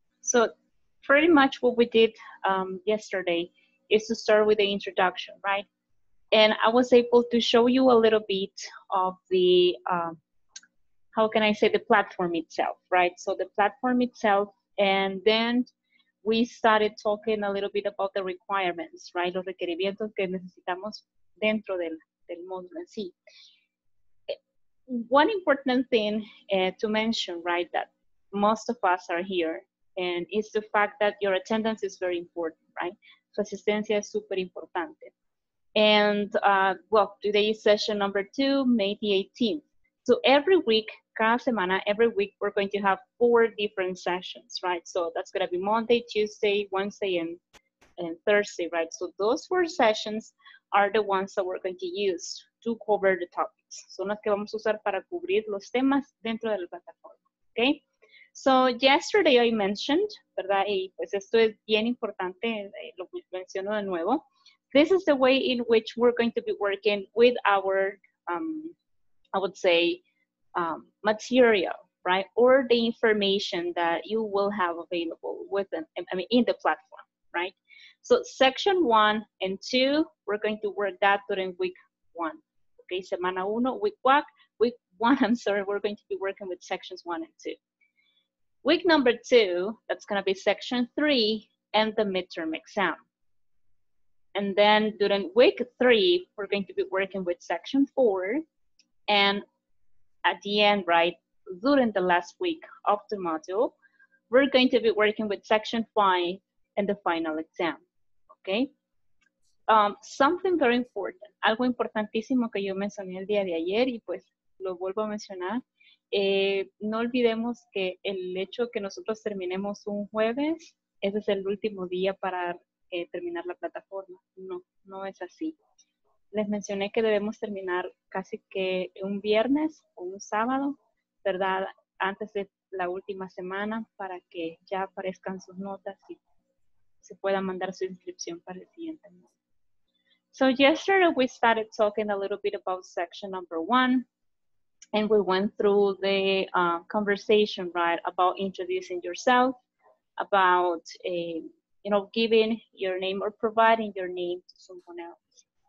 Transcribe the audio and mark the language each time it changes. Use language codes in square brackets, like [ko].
[en] So pretty much what we did yesterday is to start with the introduction, right? And I was able to show you a little bit of the, how can I say, the platform itself, right? So the platform itself, and then we started talking a little bit about the requirements, right? [es] Los requerimientos que necesitamos dentro del módulo en sí. [en] one important thing to mention, right, that most of us are here, and it's the fact that your attendance is very important, right? [es] Su asistencia es súper importante. [en] And, well, today is session number 2, May the 18th. So every week, [es] cada semana, [en] every week, we're going to have 4 different sessions, right? So that's going to be Monday, Tuesday, Wednesday, and Thursday, right? So those 4 sessions are the ones that we're going to use to cover the topics. [es] Son las que vamos a usar para cubrir los temas dentro de la plataforma, okay? [en] So yesterday I mentioned, [es] ¿verdad? Y pues esto es bien importante, lo menciono de nuevo. [en] This is the way in which we're going to be working with our, I would say, material, right? Or the information that you will have available within, I mean, in the platform, right? So section 1 and 2, we're going to work that during week 1. Okay, [es] semana 1, [en] week 1, I'm sorry, we're going to be working with sections 1 and 2. Week number 2, that's going to be section 3 and the midterm exam. And then during week 3, we're going to be working with section 4. And at the end, right, during the last week of the module, we're going to be working with section 5 and the final exam, okay? Something very important, [es] algo importantísimo que yo mencioné el día de ayer y pues lo vuelvo a mencionar. No olvidemos que el hecho que nosotros terminemos un jueves, ese es el último día para terminar la plataforma. No, no es así. Les mencioné que debemos terminar casi que un viernes o un sábado, ¿verdad? Antes de la última semana para que ya aparezcan sus notas y se pueda mandar su inscripción para el siguiente mes. [en] So yesterday we started talking a little bit about section 1. And we went through the conversation, right, about introducing yourself, about, you know, giving your name or providing your name to someone else.